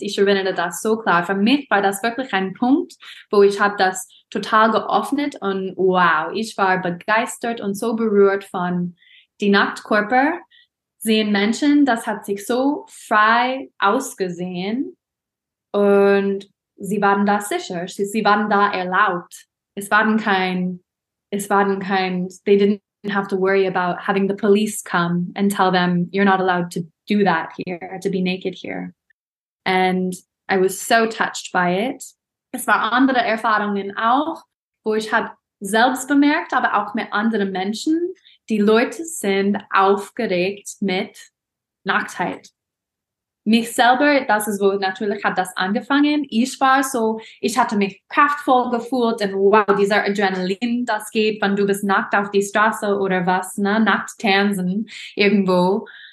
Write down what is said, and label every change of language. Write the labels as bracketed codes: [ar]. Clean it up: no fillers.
[de] Ich erinnere das so klar. Für mich war das wirklich ein Punkt, wo ich habe das total geöffnet und wow, ich war begeistert und so berührt von die Nacktkörper, sehen Menschen, das hat sich so frei ausgesehen und sie waren da sicher, sie waren da erlaubt. Es waren kein, [en] they didn't have to worry about having the police come and tell them you're not allowed to do that here, to be naked here. And I was so touched by it. [de] Es war andere Erfahrungen auch, wo ich habe selbst bemerkt, aber auch mit anderen Menschen, die Leute sind aufgeregt mit Nacktheit. Mich selber, das ist wo natürlich hat das angefangen. Ich war so, ich hatte mich kraftvoll gefühlt und wow, dieser Adrenalin, das geht, wenn du bist nackt auf die Straße oder was, ne, nackt tanzen irgendwo.